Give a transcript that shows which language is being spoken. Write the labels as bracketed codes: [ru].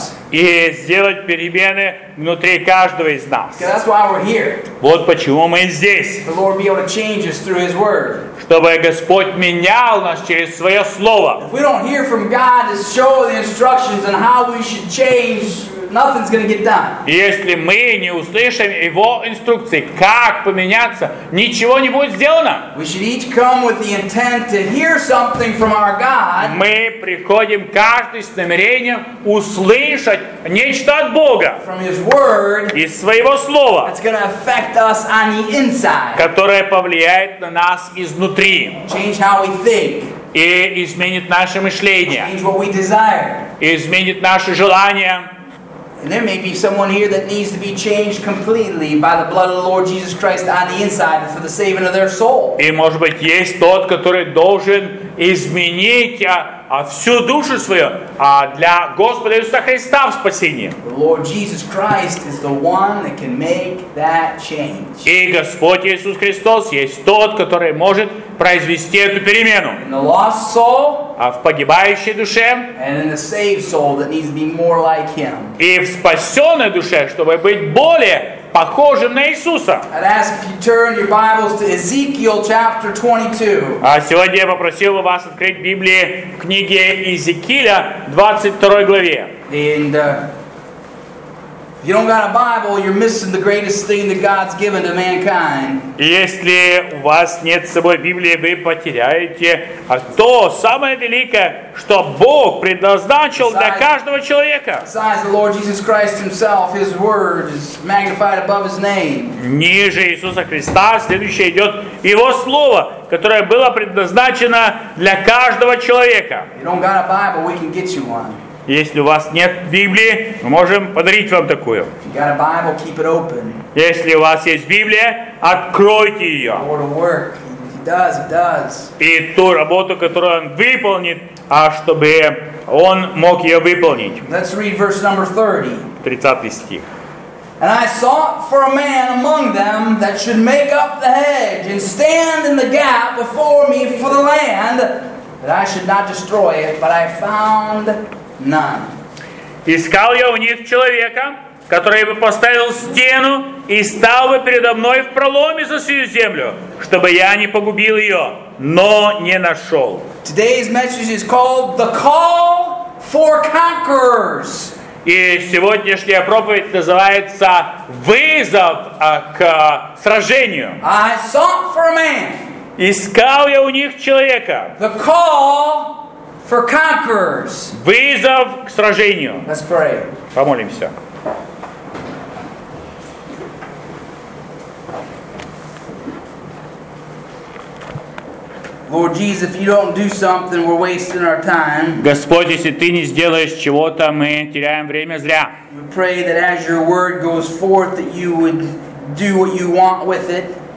[ru] И сделать перемены внутри каждого из нас. Вот почему мы здесь. Чтобы Господь менял нас через Своё Слово. [en] If we don't hear from God to show the instructions on how we should change, nothing's going to get done. [ru] Если мы не услышим его инструкции, как поменяться, ничего не будет сделано. [en] We should each come with the intent to hear something from our God. [ru] Мы приходим каждый с намерением услышать нечто от Бога. [en] From his word. [ru] Из своего слова. [en] It's going to affect us on the inside. [ru] Которое повлияет на нас изнутри. [en] Change how we think. [ru] И изменит наше мышление. [en] Change what we desire. [ru] Изменит наши желания. [en] And there may be someone here that needs to be changed completely by the blood of the Lord Jesus Christ on the inside for the saving of their soul. [ru] И может быть есть тот, который должен изменить всю душу свою для Господа Иисуса Христа в спасении. [en] The Lord Jesus Christ is the one that can make that change. [ru] И Господь Иисус Христос есть тот, который может произвести эту перемену. [en] In the lost soul. [ru] А в погибающей душе. [en] And in the saved soul that needs to be more like Him. [ru] И в спасенной душе, чтобы быть более похожим на Иисуса. [en] I'd ask if you turn your Bibles to Ezekiel chapter 22. [ru] А сегодня я попросил бы вас открыть Библии в книге Иезекииля, 22 главе. [en] And if you don't got a Bible, you're missing the greatest thing that God's given to mankind. [ru] Если у вас нет с собой Библии, вы потеряете то самое великое, что Бог предназначил для каждого человека. [en] Besides the Lord Jesus Christ Himself, His Word is magnified above His name. [ru] Ниже Иисуса Христа следующее идет Его Слово, которое было предназначено для каждого человека. [en] You don't got a Bible, we can get you one. [ru] Если у вас нет Библии, мы можем подарить вам такую. [en] You got a Bible, keep it open. [ru] Если у вас есть Библия, откройте ее. [en] The Lord will work. He does, he does. [ru] И ту работу, которую Он выполнит, чтобы Он мог ее выполнить. [en] Let's read verse number [ru] 30 стих. [en] And I sought for a man among them that should make up the hedge and stand in the gap before me for the land, that I should not destroy it, but I found none. [ru] Искал я у них человека, который бы поставил стену и стал бы передо мной в проломе за свою землю, чтобы я не погубил ее, но не нашел. [en] Today's message is called The Call for Conquerors. [ru] И сегодняшняя проповедь называется «Вызов к сражению». [en] I sought for a man. [ru] Искал я у них человека. [en] The Call for conquerors. [ru] Вызов к сражению. [en] Let's pray. [ru] Помолимся. [en] Lord Jesus, if you don't do something, we're wasting our time. [ru] Господь, если ты не сделаешь чего-то, мы теряем время зря. [en] We pray that as your word goes forth, that you would do what you want with it.